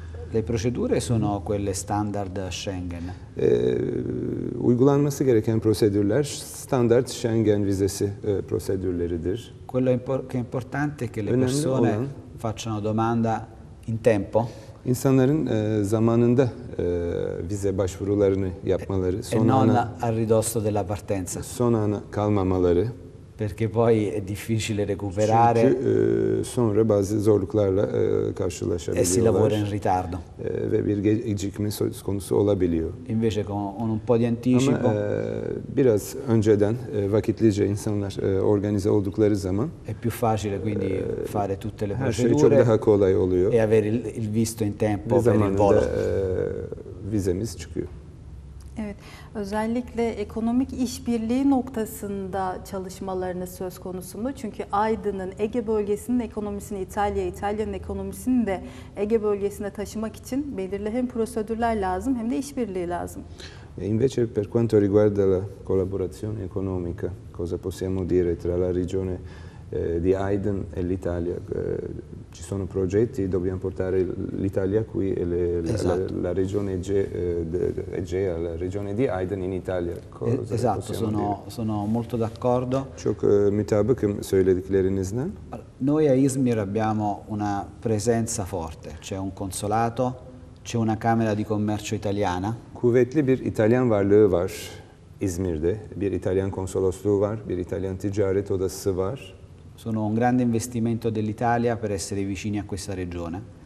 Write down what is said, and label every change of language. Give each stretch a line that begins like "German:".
Italian: Le procedure sono quelle standard Schengen.
Turkish: Uygulanması gereken prosedürler standard Schengen vizesi prosedürleridir.
Italian: Quello che è importante è che le persone facciano domanda in tempo.
Turkish: İnsanların zamanında vize başvurularını yapmaları, son ana,
Italian: al ridosso della partenza.
Turkish: Son ana kalmamaları.
Italian: Perché poi è difficile recuperare.
Turkish: Çünkü sonra bazı zorluklarla karşılaşabiliyorlar.
Italian: E si lavora in ritardo.
Turkish: Ve bir gecikme söz konusu olabiliyor.
Italian: Invece con un po' di anticipo.
Turkish: Ama biraz önceden vakitlice insanlar organize oldukları zaman
Italian: è più facile quindi fare tutte le procedure.
Turkish: Her şey çok daha kolay oluyor.
Italian: E avere il visto in tempo per il volo.
Turkish: Vizemiz çıkıyor. Evet, özellikle ekonomik işbirliği noktasında çalışmalarınız söz konusu mu? Çünkü Aydın'ın Ege bölgesinin ekonomisini İtalya, İtalya'nın ekonomisini de Ege bölgesine taşımak için belirli hem prosedürler lazım hem de işbirliği lazım.
Italian: Invece per quanto riguarda la collaborazione economica, cosa possiamo dire tra la regione di Aydın e l'Italia? Ci sono progetti, dobbiamo portare l'Italia qui e la regione Egea, la regione di Aydın in Italia. Cosa esatto, sono molto d'accordo.
Turkish: Çok mütabıkım söylediklerinizden.
Italian: Noi a Izmir abbiamo una presenza forte, c'è un consolato, c'è una camera di commercio italiana.
Turkish: Kuvvetli bir İtalyan varlığı var İzmir'de. Bir İtalyan konsolosluğu var, bir İtalyan ticaret odası var.
Italian: Sono un grande investimento dell'Italia per essere vicini a questa regione.